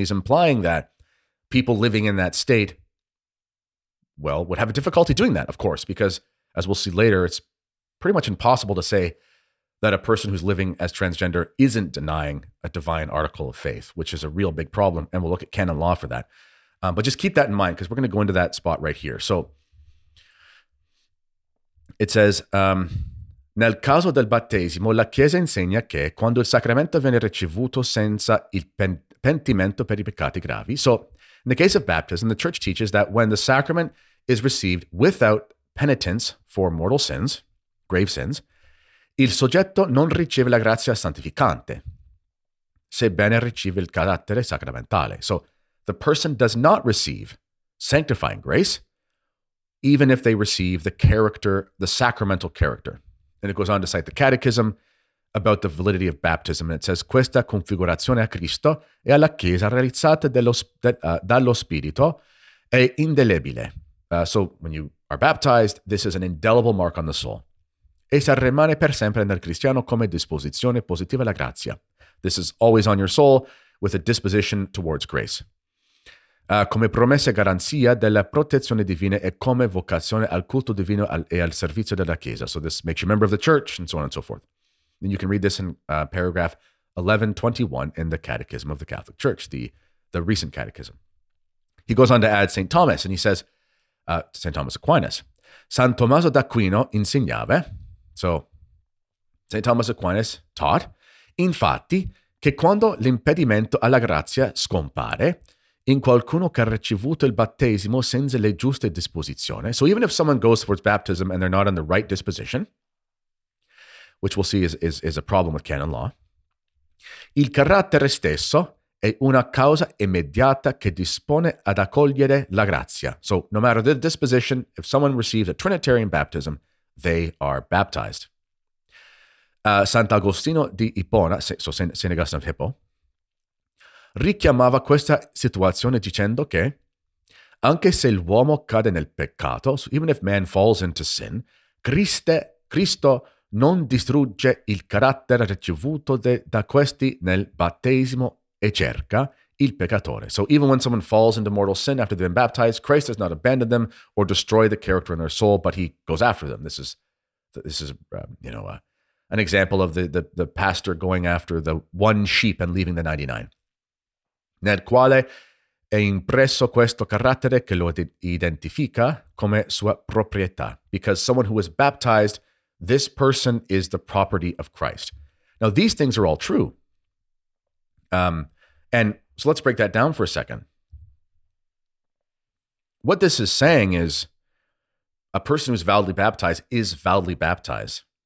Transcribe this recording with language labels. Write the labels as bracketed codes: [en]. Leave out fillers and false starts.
[en] And he's implying that people living in that state, well, would have a difficulty doing that, of course, because as we'll see later, it's pretty much impossible to say that a person who's living as transgender isn't denying a divine article of faith, which is a real big problem. And we'll look at canon law for that. But just keep that in mind, because we're going to go into that spot right here. So it says, [it] nel caso del battesimo, la Chiesa insegna che quando il sacramento viene ricevuto senza il pentimento per I peccati gravi. [en] So in the case of baptism, the church teaches that when the sacrament is received without penitence for mortal sins, grave sins, [it] il soggetto non riceve la grazia santificante, sebbene riceve il carattere sacramentale. [en] So the person does not receive sanctifying grace, even if they receive the character, the sacramental character. And it goes on to cite the catechism about the validity of baptism. And it says, [it] questa configurazione a Cristo e alla Chiesa realizzata dallo Spirito è indelebile. [en] So when you are baptized, this is an indelible mark on the soul. [it] Essa rimane per sempre nel cristiano come disposizione positiva alla grazia. [en] This is always on your soul with a disposition towards grace. [it] Come promessa e garanzia della protezione divina e come vocazione al culto divino e al servizio della Chiesa. [en] So this makes you a member of the church and so on and so forth. And you can read this in paragraph 1121 in the Catechism of the Catholic Church, the recent catechism. He goes on to add St. Thomas, and he says, St. Thomas Aquinas, [it] San Tommaso d'Aquino insegnava. [en] So, St. Thomas Aquinas taught, [it] infatti, che quando l'impedimento alla grazia scompare in qualcuno che ha ricevuto il battesimo senza le giuste disposizioni. [en] So, even if someone goes towards baptism and they're not in the right disposition, which we'll see is a problem with canon law, [it] il carattere stesso è una causa immediata che dispone ad accogliere la grazia. [en] So, no matter the disposition, if someone receives a Trinitarian baptism, they are baptized. [it] Sant'Agostino di Ippona, [en] so St. [it] Augustine of Hippo, richiamava questa situazione dicendo che anche se l'uomo cade nel peccato, [en] so even if man falls into sin, [it] Cristo non distrugge il carattere ricevuto da questi nel battesimo e cerca il peccatore. [en] So even when someone falls into mortal sin after they've been baptized, Christ does not abandon them or destroy the character in their soul, but he goes after them. This is an example of the pastor going after the one sheep and leaving the 99. [it] Nel quale è impresso questo carattere che lo identifica come sua proprietà. [en] Because someone who was baptized, this person is the property of Christ. Now, these things are all true. So let's break that down for a second. What this is saying is a person who's validly baptized is validly baptized.